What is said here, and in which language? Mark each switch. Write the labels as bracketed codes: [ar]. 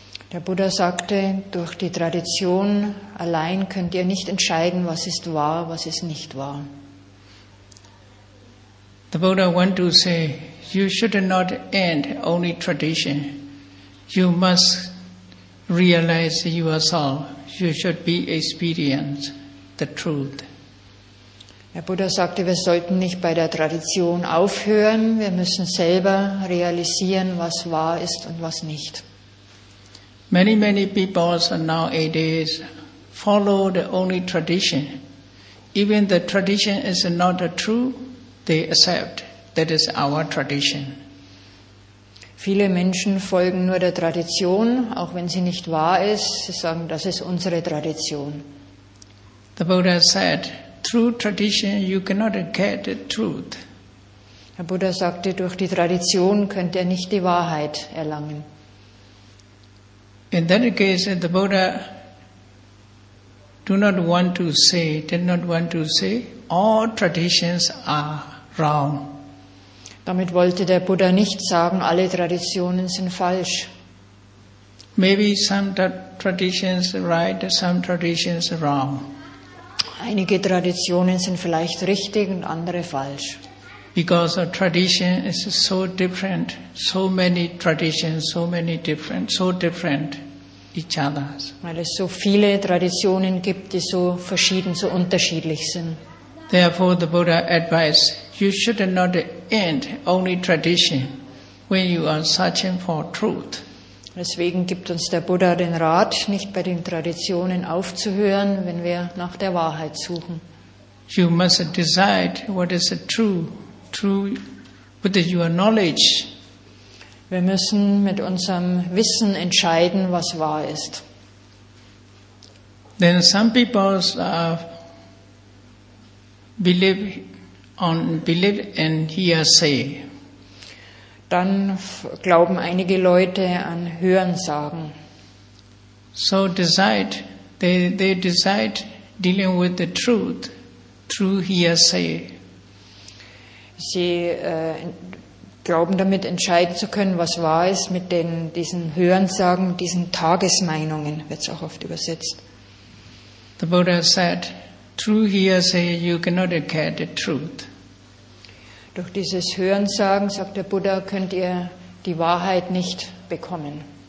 [de] Der Buddha sagte, durch die Tradition allein könnt ihr nicht entscheiden, was ist wahr, was ist nicht wahr. [en] The Buddha went to say, you should not end only tradition. You must realize yourself. You should be experience the truth. [de] Der Buddha sagte, wir sollten nicht bei der Tradition aufhören, wir müssen selber realisieren, was wahr ist und was nicht. [en] Many, many people are nowadays follow the only tradition. Even the tradition is not the true, they accept that is our tradition. [de] Viele Menschen folgen nur der Tradition, auch wenn sie nicht wahr ist. Sie sagen, das ist unsere Tradition. [en] The Buddha said, through tradition you cannot get the truth. [de] Der Buddha sagte, durch die Tradition könnt ihr nicht die Wahrheit erlangen. [en] In that case, the Buddha did not want to say, all traditions are wrong. [de] Damit wollte der Buddha nicht sagen, alle Traditionen sind falsch. [en] Maybe some traditions right, some traditions wrong. [de] Einige Traditionen sind vielleicht richtig und andere falsch. [en] Because a tradition is so different, so many traditions, so many different, so different each other's. [de] Weil es so viele Traditionen gibt, die so verschieden, so unterschiedlich sind. [en] Therefore, the Buddha advised, you should not end only tradition when you are searching for truth. [de] Deswegen gibt uns der Buddha den Rat, nicht bei den Traditionen aufzuhören, wenn wir nach der Wahrheit suchen. [en] You must decide what is true, true with your knowledge. [de] Wir müssen mit unserem Wissen entscheiden, was wahr ist. [en] Then some people believe in hearsay. [de] Dann glauben einige Leute an Hörensagen. [en] So decide, they decide dealing with the truth through hearsay. [de] Sie glauben damit entscheiden zu können, was wahr ist mit diesen Hörensagen, diesen Tagesmeinungen, wird es auch oft übersetzt. [en] The Buddha said, through hearsay you cannot get the truth. [de] Durch dieses Hörensagen, sagt der Buddha, könnt ihr die Wahrheit nicht bekommen.